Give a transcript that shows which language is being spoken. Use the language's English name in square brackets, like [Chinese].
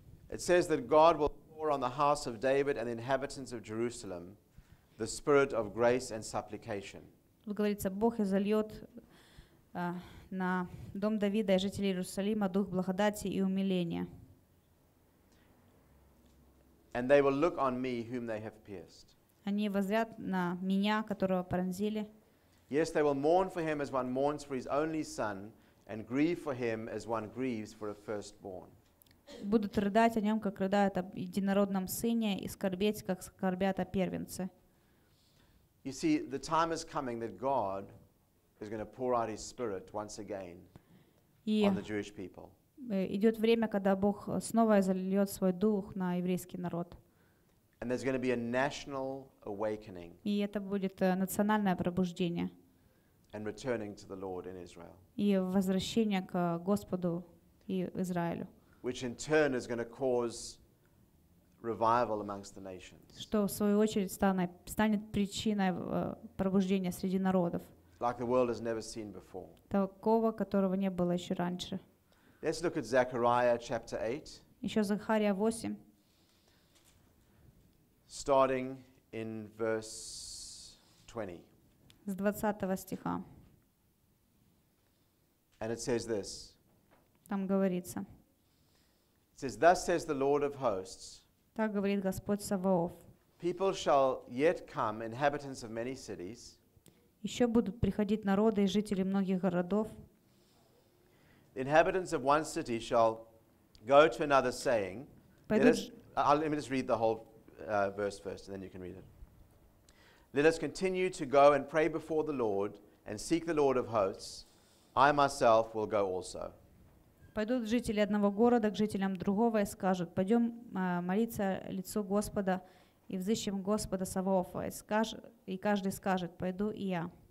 [English] It says that God will pour on the house of David and the inhabitants of Jerusalem the spirit of grace and supplication. [Russian] Говорится, Бог изольёт на дом Давида и жителей Иерусалима дух благодати и умиления. [English] And they will look on me whom they have pierced. [Russian] Они воззрят на меня, которого пронзили. [English] Yes, they will mourn for him as one mourns for his only son, and grieve for him as one grieves for a firstborn. [Russian] Будут рыдать о нем, как рыдают об единородном сыне, и скорбеть, как скорбят о первенце. [English] You see, the time is coming that God is going to pour out his spirit once again on the Jewish people. [Russian] Идет время, когда Бог снова изольет свой дух на еврейский народ. [English] And there's going to be a national awakening. [Russian] И это будет национальное пробуждение. [English] And returning to the Lord in Israel. [Russian] И возвращение к Господу и Израилю. [English] Which in turn is going to cause revival amongst the nations. [Russian] Что в свою очередь станет причиной пробуждения среди народов. [English] Like the world has never seen before. [Russian] Такого, которого не было еще раньше. [English] Let's look at Zechariah chapter 8. [Russian] Еще Захария 8. [English] Starting in verse 20. [Russian] С 20 стиха. [English] And it says this. [Russian] Там говорится. [English] It says, "Thus says the Lord of hosts." [Russian] Так говорит Господь Саваоф. [English] People shall yet come, inhabitants of many cities. [Russian] Еще будут приходить народы и жители многих городов. [English] The inhabitants of one city shall go to another, saying, "Let me just read the whole verse first, and then you can read it. Let us continue to go and pray before the Lord and seek the Lord of hosts. I myself will go also." [Russian] Пойдут жители одного города к жителям другого и скажут: "Пойдем молиться лицу Господа и взыщем Господа Саваофа." И каждый скажет: "Пойду и я."